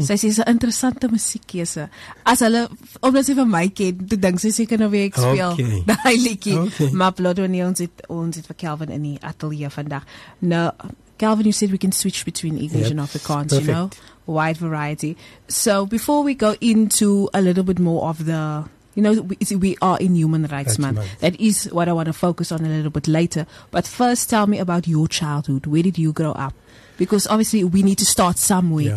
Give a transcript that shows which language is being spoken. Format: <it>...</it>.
<af>Sy sê, is een interessante muziekkeuse. As hulle, omdat sy van my ken, toe dink sy seker nou weer ek speel die liedjie. Okay. Maar Vlodwan, ons het vir Calvin in die atelier vandag.</af> <en>Nou, Calvin, you said we can switch between English and Afrikaans, perfect. You know, wide variety. So, before we go into a little bit more of the... You know, we are in Human Rights Month. That is what I want to focus on a little bit later. But first, tell me about your childhood. Where did you grow up? Because obviously, we need to start somewhere.</en>